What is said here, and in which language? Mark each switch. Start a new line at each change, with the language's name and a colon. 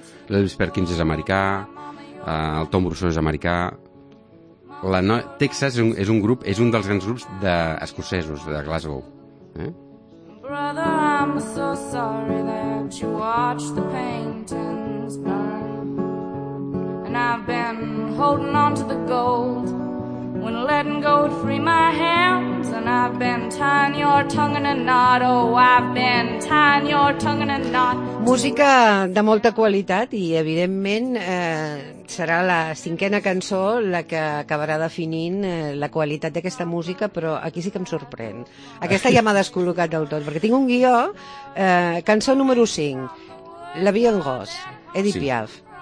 Catalan: L'Elvis Perkins és americà, el Tom Brosseau és americà. Texas és un grup, és un dels grans grups d'escocesos, de Glasgow.
English: Brother, I'm so sorry that you watched the paintings burn. And I've been holding on to the gold. When letting go would free my hands. And I've been tying your tongue in a knot. Oh, I've been tying your tongue in a knot.
Catalan: Música de molta qualitat i, evidentment, serà la cinquena cançó la que acabarà definint la qualitat d'aquesta música, però aquí sí que em sorprèn. Aquesta ja m'ha descol·locat del tot, perquè tinc un guió. Cançó número 5, La Vie en Rose, Edith Piaf.